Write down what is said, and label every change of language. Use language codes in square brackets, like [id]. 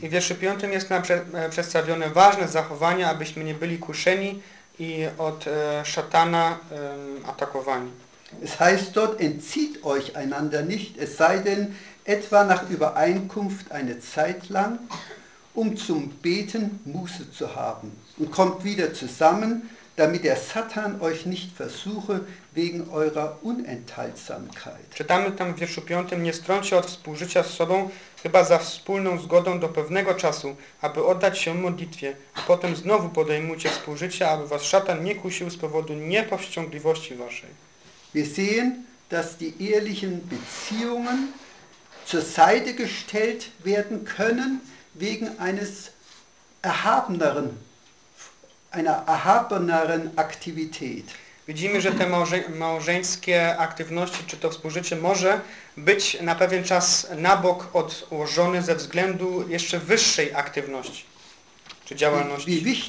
[pl] I w wierszu 5 jest nam przedstawione ważne zachowania, abyśmy nie byli kuszeni i od szatana atakowani. [de] Es heißt dort, entzieht euch einander nicht, es sei denn, etwa nach Übereinkunft eine Zeit lang, um zum Beten Muße zu haben, und kommt wieder zusammen, damit der Satan euch nicht versuche wegen eurer Unenthaltsamkeit. [pl] Czytamy tam w wierszu 5: nie strąć się od współżycia z sobą, chyba za wspólną zgodą do pewnego czasu, aby oddać się modlitwie, a potem znowu podejmujcie współżycie, aby was szatan nie kusił z powodu niepowściągliwości waszej. [de] Wir sehen, dass die ehrlichen Beziehungen zur Seite gestellt werden können wegen eines erhabeneren, einer erhabeneren Aktivität. [pl] Widzimy, że te małżeńskie aktywności, czy to współżycie, może być na pewien czas na bok odłożone ze względu jeszcze wyższej aktywności, czy działalności.